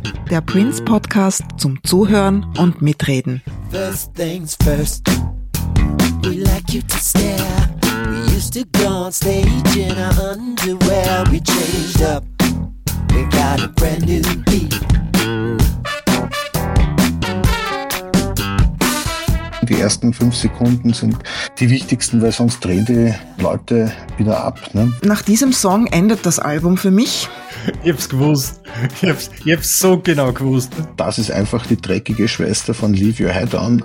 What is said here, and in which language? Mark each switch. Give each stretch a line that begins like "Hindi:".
German: Der Prince-Podcast zum Zuhören und Mitreden.
English: First things first, we like you to stare. We used to go on stage in our underwear. We changed up, we got a brand new beat.
German: Die ersten 5 Sekunden sind die wichtigsten, weil sonst drehen die Leute wieder ab. Ne? Nach diesem Song endet das Album für mich. Ich hab's gewusst. Ich hab's so genau gewusst. Das ist einfach die dreckige Schwester von Leave Your Head On.